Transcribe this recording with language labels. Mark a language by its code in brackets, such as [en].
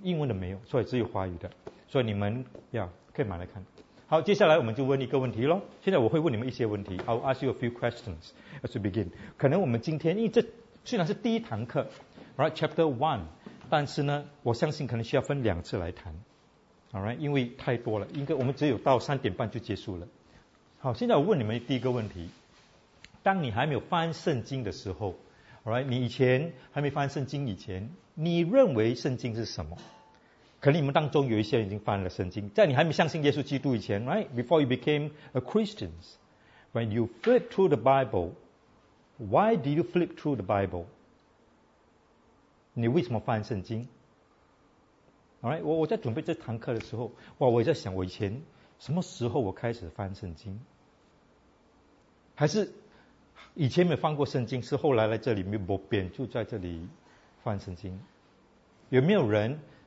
[zh] 英文的没有，所以只有华语的。所以你们要可以买来看。好，接下来我们就问一个问题咯。现在我会问你们一些问题。 [en] I'll ask you a few questions as we begin. [zh] 可能我们今天，因为这虽然是第一堂课 ， [en] right chapter one， [zh] 但是呢，我相信可能需要分两次来谈 ， [en] all right， [zh] 因为太多了，应该我们只有到三点半就结束了。好，现在我问你们第一个问题：当你还没有翻圣经的时候 ， [en] all right， [zh] 你以前还没翻圣经以前，你认为圣经是什么？可能你们当中有一些人已经翻了圣经，在你还没相信耶稣基督以前 ， [en] right? Before you became a Christian, when you flip through the Bible, why did you flip through the Bible? [zh] 你为什么翻圣经 ？ [en] Alright, [zh] 我在准备这堂课的时候，哇，我在想我以前什么时候我开始翻圣经，还是以前没有翻过圣经，是后来来这里没有变就在这里翻圣经，有没有人？